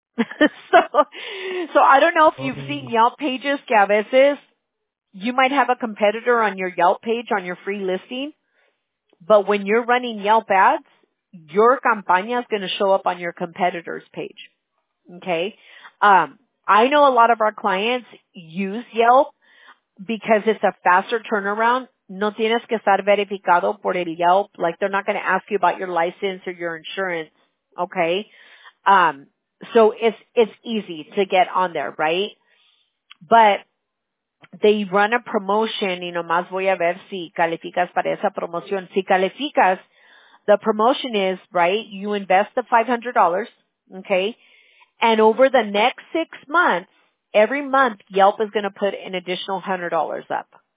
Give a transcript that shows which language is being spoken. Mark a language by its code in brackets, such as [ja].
[en] So I don't know if you've okay. seen Yelp pages, [es] que a veces [en] you might have a competitor on your Yelp page, on your free listing, but when you're running Yelp ads, your campaña is going to show up on your competitor's page, okay? I know a lot of our clients use Yelp because it's a faster turnaround. [es] No tienes que estar verificado por el Yelp. [en] Like, they're not going to ask you about your license or your insurance, okay? So it's easy to get on there, right? But they run a promotion, [es] y nomás voy a ver si calificas para esa promoción. Si calificas, [en] the promotion is, right, you invest the $500, okay, and over the next 6 months, every month, Yelp is going to put an additional $100 up.